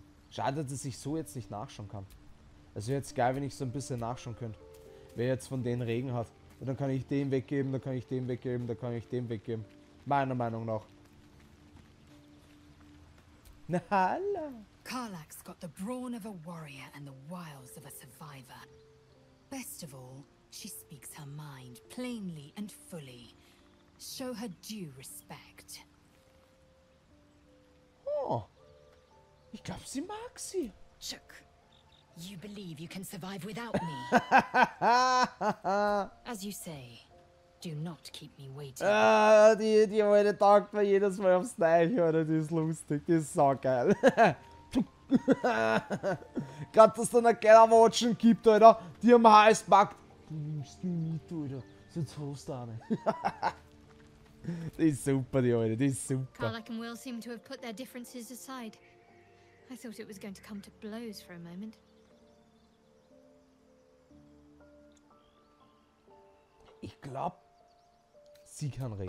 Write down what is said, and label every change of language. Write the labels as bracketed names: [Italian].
[German] Schade, dass ich so jetzt nicht nachschauen kann. Es wäre jetzt geil, wenn ich so ein bisschen nachschauen könnte. Wer jetzt von denen Regen hat. Und dann kann ich den weggeben, dann kann ich den weggeben, dann kann ich den weggeben. Meiner Meinung nach. Na hallo. [English] Karlax got the brawn of a warrior and the wiles of a survivor. Best of all, she speaks her mind plainly and fully. Show her due respect. [German] Oh. Ich glaub, sie mag sie. Chuck. [English] You believe you can survive without me? As you say, do not keep me waiting. [German] Die Alte taugt mir jedes Mal aufs Neiche, oder? Die ist lustig, die ist saugeil. Gerade, dass es dann ein kleiner Watschen gibt, Alter, die am Hals packt. Du nimmst die mit, Alter, sonst hast du eine. Die ist super, die Alte, die ist super. [English] Karlak and Will seem to have put their differences aside. I thought it was going to come to blows for a moment. [German] Ich glaube, sie kann reden.